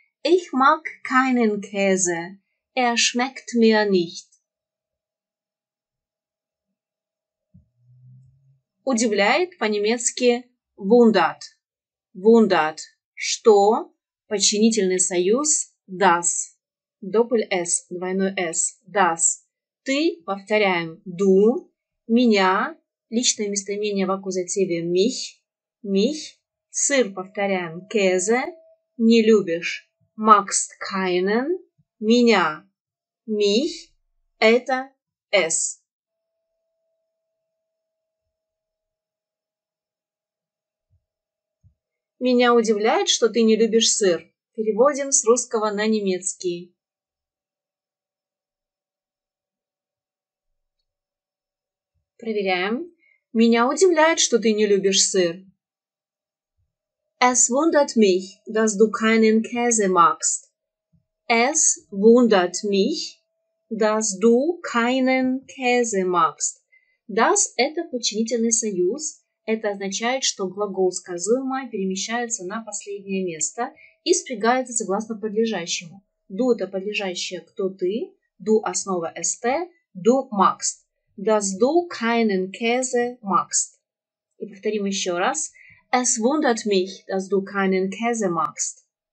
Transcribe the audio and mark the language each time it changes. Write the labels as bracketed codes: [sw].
[de] Ich mag keinen Käse. Er schmeckt mir nicht. [ru] Удивляет по-немецки wundert. [de] Wundert. [ru] Что? Подчинительный союз das. [de] Doppel S, [ru] двойной S. [de] Das. [ru] Ты, повторяем, du. Меня. Личное местоимение в аккузативе mich. [de] Mich. [ru] Сыр, повторяем, Käse, не любишь, [de] magst keinen, [ru] меня, mich, это es. Меня удивляет, что ты не любишь сыр. Переводим с русского на немецкий. Проверяем. Меня удивляет, что ты не любишь сыр. [de] Es wundert mich, dass du keinen Käse magst. Es wundert mich, dass du keinen Käse magst. [ru] Das – это подчинительный союз. Это означает, что глагол сказуемое перемещается на последнее место и спрягается согласно подлежащему. Du – это подлежащее «кто ты», du – основа «st», du – magst. [de] Dass du keinen Käse magst. [ru] И повторим еще раз. [de] Es wundert mich, dass du keinen Käse magst.